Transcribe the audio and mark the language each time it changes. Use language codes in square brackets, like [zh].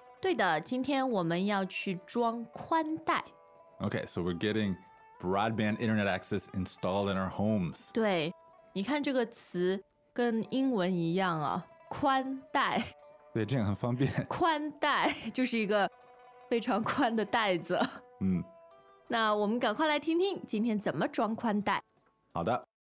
[zh] 对的，今天我们要去装宽带。 [en] Okay, so we're getting broadband internet access installed in our homes. [zh] 对，你看这个词跟英文一样啊，宽带。对，这样很方便。宽带就是一个非常宽的带子。嗯。那我们赶快来听听今天怎么装宽带。好的。